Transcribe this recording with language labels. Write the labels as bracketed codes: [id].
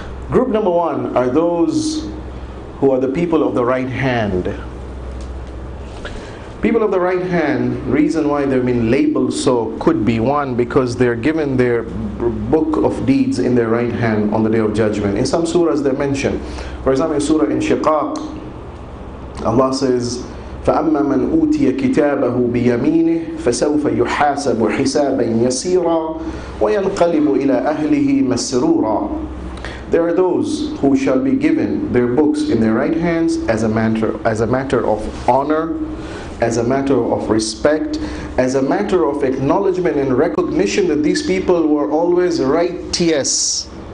[en] Group number one are those who are the people of the right hand. People of the right hand, reason why they've been labeled so could be one, because they're given their book of deeds in their right hand on the day of judgment. In some surahs they're mentioned. For example, in surah Inshiqaq, Allah says, [ar] فَأَمَّا مَنْ أُوْتِيَ كِتَابَهُ بِيَمِينِهِ فَسَوْفَ يُحَاسَبُ حِسَابًا يَسِيرًا وَيَنْقَلِبُ إِلَىٰ أَهْلِهِ مَسْرُورًا. [en] There are those who shall be given their books in their right hands as a matter of honor, as a matter of respect, as a matter of acknowledgement and recognition that these people were always righteous.